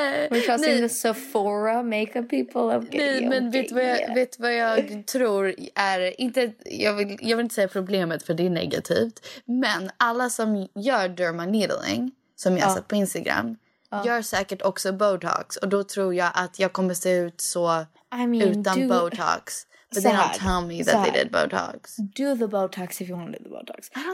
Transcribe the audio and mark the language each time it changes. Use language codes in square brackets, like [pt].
[en] We're trusting the Sephora makeup people of getting [sv] Nej, men vet vad jag tror är... Inte, jag vill inte säga problemet, för det är negativt. Men alla som gör derma needling, som jag sett på Instagram, gör säkert också Botox. Och då tror jag att jag kommer se ut så utan Botox. [en] But they don't tell me that they did Botox. Do the Botox if you want to do the Botox.